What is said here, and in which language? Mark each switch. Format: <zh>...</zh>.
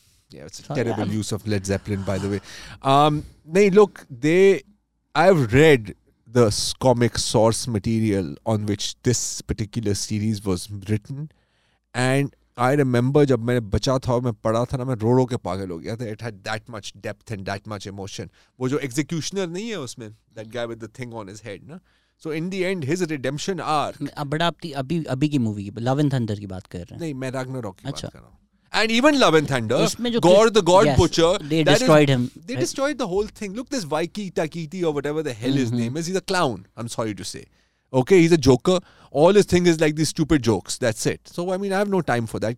<en>Yeah, it's a terrible use of Led Zeppelin, by the way. Nahin, look, I've read the comic source material on which this particular series was written, and. I remember</en> <hi>जब मैंने बचा था मैं पढ़ा था ना मैं रो रो के पागल हो गया था</hi> <en>it had that much depth and that much emotion</en> <hi>वो जो executioner नहीं है उसमें</hi> <en>that guy with the thing on his head ना so in the end his redemption arc</en> <hi>अब बड़ा आप अभी की movie की love and thunder की बात कर रहे हैं नहीं मैं Ragnarok की अच्छा. बात कर रहा हूँ</hi> <en>and even love and thunder God the God yes, butcher they destroyed him they destroyed the whole thing look this Vaiki Takiti or whatever the hell mm-hmm. his name is he's a clown I'm sorry to say Okay, he's a joker. All his thing is like these stupid jokes. That's it. So, I mean, I have no time for that.</en>